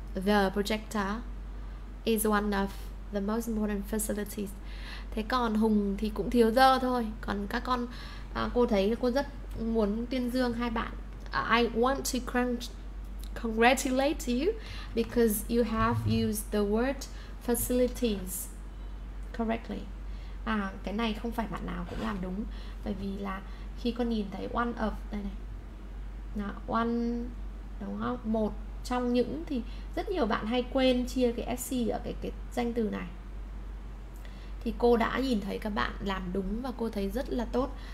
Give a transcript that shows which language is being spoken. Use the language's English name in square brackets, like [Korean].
[English] The projector is one of the most important facilities. [Vietnamese] Thế còn Hùng thì cũng thiếu the thôi. Còn các con, cô thấy cô rất muốn tuyên dương hai bạn. [English] I want to congratulate you because you have used the word facilities correctly. [Vietnamese] À, cái này không phải bạn nào cũng làm đúng, bởi vì là khi con nhìn thấy [English] one of [Vietnamese] đây này, là one đúng không, một trong những, thì rất nhiều bạn hay quên chia cái sc ở cái danh từ này. Thì cô đã nhìn thấy các bạn làm đúng và cô thấy rất là tốt.